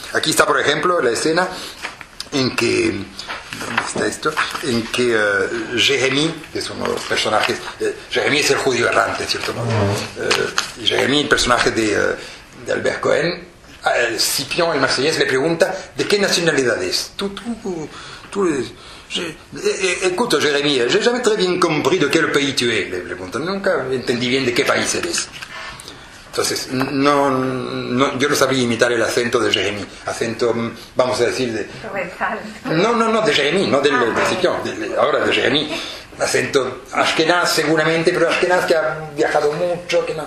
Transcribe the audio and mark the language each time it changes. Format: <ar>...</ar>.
<es>Aquí está, por ejemplo, la escena en que... ¿Dónde está esto? En que Jérémy, que es uno de los personajes... Jérémy es el judío errante, ¿cierto? Jérémy, el personaje de Albert Cohen, Scipion, el marsellés, le pregunta: ¿de qué nacionalidad es? Tú eres...</es> <fr>Écoute, Jérémy, je n'ai jamais très bien compris de quel pays tu es,</fr> <es>le pregunto. Nunca entendí bien de qué país eres. Entonces, no, yo no sabía imitar el acento de Jérémy. Acento, vamos a decir, de... No, de Jérémy, no del Scipion, ahora de Jérémy. Acento ashkenaz, seguramente, pero ashkenaz que ha viajado mucho, que no...</es>